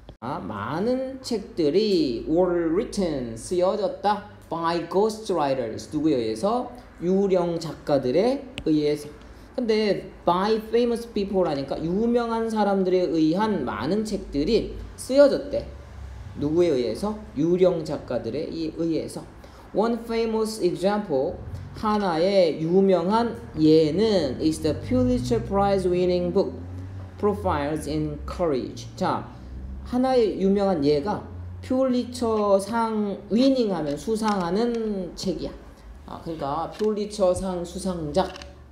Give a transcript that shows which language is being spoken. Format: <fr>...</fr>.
<ko>아, 많은 책들이 were written, 쓰여졌다 by ghostwriters, 누구에 의해서? 유령 작가들에 의해서. 근데 by famous people 라니까 유명한 사람들에 의한 많은 책들이 쓰여졌대. 누구에 의해서? 유령 작가들에 의해서.</ko> <en>One famous example 하나의 유명한 예는 is the Pulitzer Prize winning book Profiles in Courage.</en> <ko>자 하나의 유명한 예가 퓰리처상 위닝하면 수상하는 책이야. 아, 그러니까 퓰리처상 수상작</ko>